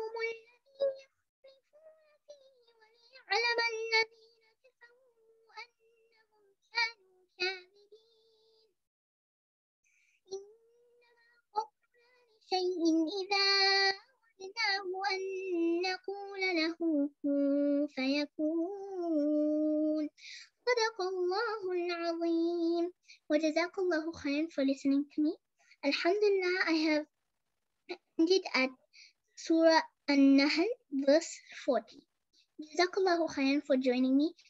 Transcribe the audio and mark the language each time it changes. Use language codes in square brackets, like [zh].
[ar] الذي يختلفون فيه وليعلم الذين كفروا أنهم كانوا كاذبين إنما قولنا لشيء إذا أردناه أن نقول له كن فيكون صدق الله العظيم وجزاك الله خيرا [en] for listening to me. Alhamdulillah, I have ended at Surah An-Nahl, verse 40. [ar] جزاك الله خيرا [en] for joining me.